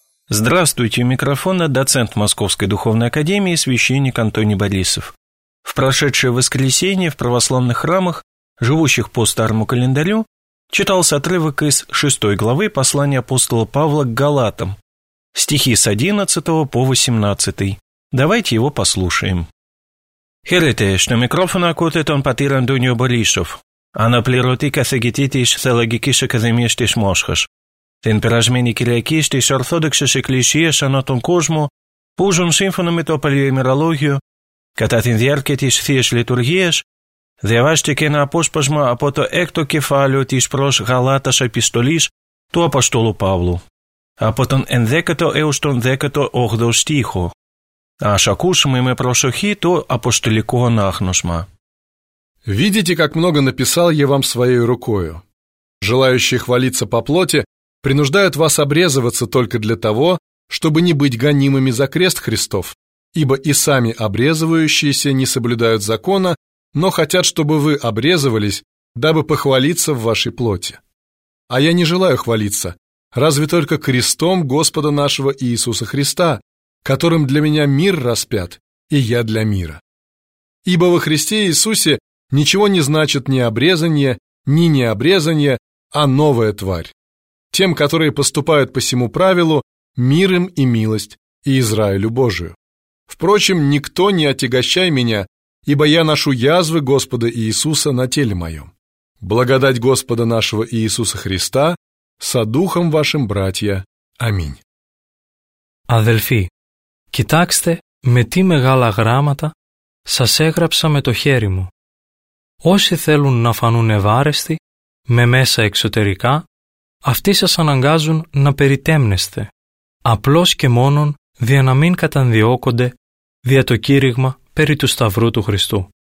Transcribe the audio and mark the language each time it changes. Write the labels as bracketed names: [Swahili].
[Russian] Здравствуйте, у микрофона доцент Московской духовной академии священник Антоний Борисов. В прошедшее воскресенье в православных храмах, живущих по старому календарю, читался отрывок из 6 главы послания апостола Павла к Галатам, стихи с 11 по 18. Давайте его послушаем. [Greek] Χαίρετε, στο μικρόφωνο ακούτε τον πατήρ Αντώνιο Μπολίσοφ, αναπληρωτή καθηγητή της Θεολογικής Ακαδημίας της Μόσχας, την περασμένη Κυριακή στις Ορθόδοξες Εκκλησίες ανά τον κόσμο που ζουν σύμφωνα με το παλιοημερολόγιο, κατά την διάρκεια της Θείας Λειτουργίας, διαβάστηκε ένα απόσπασμα από το 6ο κεφάλαιο της προς Γαλάτας Επιστολής του Αποστόλου Παύλου, από τον 11ο έως τον 18ο στίχο. Ας ακούσουμε με προσοχή το апостолικό ανάγνωσμα. [Russian] Видите, как много написал я вам своей рукою. Желающие хвалиться по плоти принуждают вас обрезываться только для того, чтобы не быть гонимыми за крест Христов, ибо и сами обрезывающиеся не соблюдают закона, но хотят, чтобы вы обрезывались, дабы похвалиться в вашей плоти. А я не желаю хвалиться, разве только крестом Господа нашего Иисуса Христа, которым для меня мир распят, и я для мира. Ибо во Христе Иисусе ничего не значит ни обрезание, ни необрезание, а новая тварь. Тем, которые поступают по сему правилу, мир им и милость, и Израилю Божию. Впрочем, никто не отягощай меня, ибо я ношу язвы Господа Иисуса на теле моем. Благодать Господа нашего Иисуса Христа со духом вашим, братья. Аминь. [Greek] Адельфи, κοιτάξτε με τι μεγάλα γράμματα σας έγραψα με το χέρι μου. Όσοι θέλουν να φανούν ευάρεστοι, με μέσα εξωτερικά, αυτοί σας αναγκάζουν να περιτέμνεστε, απλώς και μόνον δια να μην καταδιώκονται δια το κήρυγμα περί του Σταυρού του Χριστού.